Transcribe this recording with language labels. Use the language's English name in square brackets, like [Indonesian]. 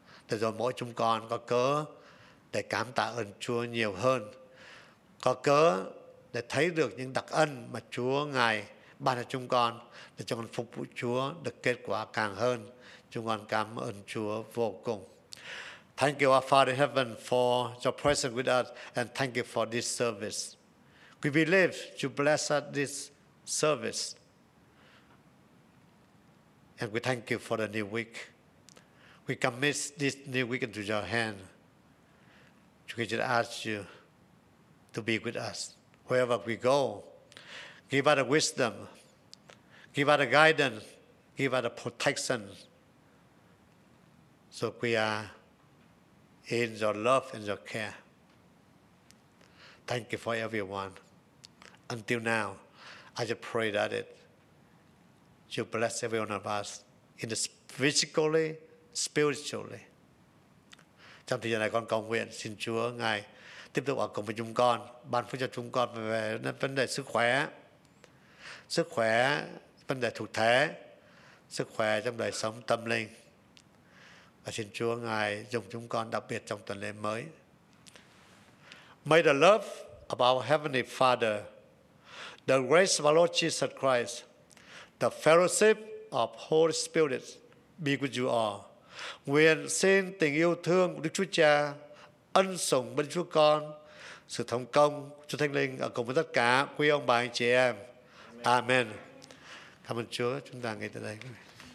[Vietnamese] Để rồi mỗi chúng con có cớ để cảm tạ ơn Chúa nhiều hơn, có cớ để thấy được những đặc ân mà Chúa ngài ban cho chúng con, để chúng con phục vụ Chúa được kết quả càng hơn. Chúng con cảm ơn Chúa vô cùng. [English] Thank you, our Father in heaven, for your presence with us, and thank you for this service. We believe you bless us this service, and we thank you for the new week. We commit this new week into your hand. We just ask you to be with us wherever we go. Give us the wisdom. Give us the guidance. Give us the protection. So we are in your love and your care. Thank you for everyone. Until now, I just pray that you bless every one of us in the physically, spiritually. [Vietnamese] Trong thời gian này con cầu nguyện xin Chúa Ngài tiếp tục ở cùng với chúng con, ban phước cho chúng con về vấn đề sức khỏe, sức khỏe vấn đề thuộc thể, sức khỏe trong đời sống tâm linh. Và xin Chúa Ngài dùng chúng con đặc biệt trong tuần lễ mới. [English] May the love of our Heavenly Father, the grace of our Lord Jesus Christ, the fellowship of Holy Spirit be with you all. [Vietnamese] Nguyện xin tình yêu thương của Đức Chúa Cha, ân sủng bên Chúa Con, sự thông công Chúa Thánh Linh ở cùng với tất cả quý ông bà anh chị em. Amen. Amen. Cảm ơn Chúa, chúng ta ngay từ đây.